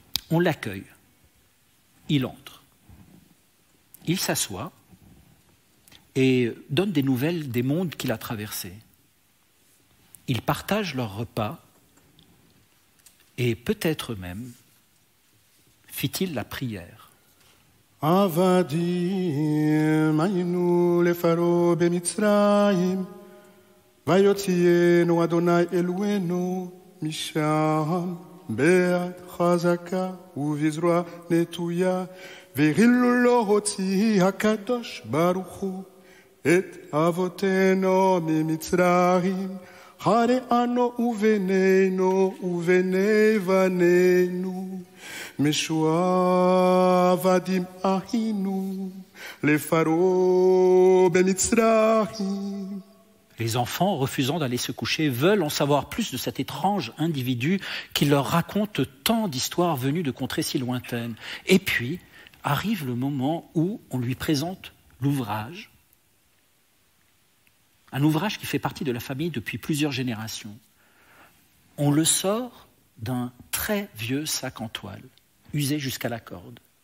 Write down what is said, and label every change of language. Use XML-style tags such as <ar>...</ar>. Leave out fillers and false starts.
<fr>On l'accueille. Il entre. Il s'assoit et donne des nouvelles des mondes qu'il a traversés. Ils partagent leur repas et peut-être même fit-il la prière.</fr> <he>עבדים היינו לפרעה במצרים, ויוציאנו אדוני אלוהינו משם ביד חזקה ובזרוע נטויה, והילו לא הוציא הקדוש ברוך הוא את אבותינו ממצרים, הרי אנו ובנינו ובני בנינו. משועבדים היינו לפרעה במצרים.</he> <fr>Les enfants, refusant d'aller se coucher, veulent en savoir plus de cet étrange individu qui leur raconte tant d'histoires venues de contrées si lointaines. Et puis arrive le moment où on lui présente l'ouvrage. Un ouvrage qui fait partie de la famille depuis plusieurs générations. On le sort d'un très vieux sac en toile, usé jusqu'à la corde.</fr>